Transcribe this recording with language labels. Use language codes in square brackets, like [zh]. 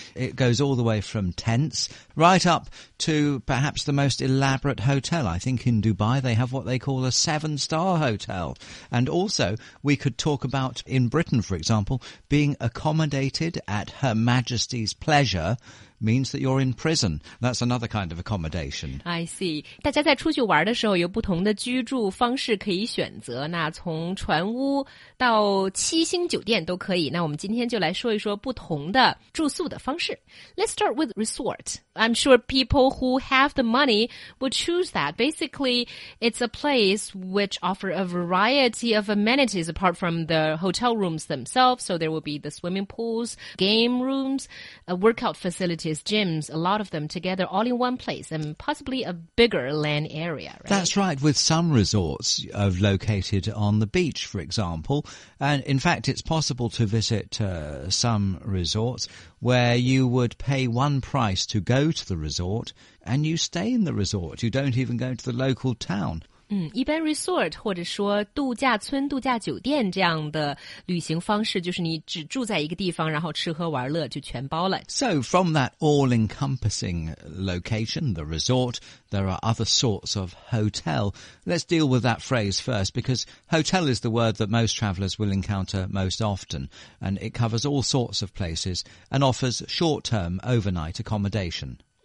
[en] It goes all the way from tents right up to perhaps the most elaborate hotel. I think in Dubai they have what they call a 7-star hotel. And also we could talk about, in Britain, for example, being accommodated at Her Majesty's pleasure means that you're in prison. That's another kind of accommodation. I see. [zh] 大家在出去玩的时候有不同的居住方式可以选择，那从船屋到七星酒店都可以。那我们今天就来说一说不同的住宿的方式。 [en] Let's start with resort. I'm sure people who have the money would choose that. Basically, it's a place which offers a variety of amenities apart from the hotel rooms themselves. So there will be the swimming pools, game rooms, a workout facilityGyms, a lot of them together all in one place and possibly a bigger land area, right? That's right, with some resorts located on the beach, for example. And in fact, it's possible to visit some resorts where you would pay one price to go to the resort and you stay in the resort. You don't even go to the local town. [zh] 一般 resort 或者说度假村度假酒店这样的旅行方式，就是你只住在一个地方，然后吃喝玩乐就全包了。 [en] So from that all-encompassing location, the resort, there are other sorts of hotel. Let's deal with that phrase first, because hotel is the word that most travelers will encounter most often, and it covers all sorts of places and offers short-term overnight accommodation.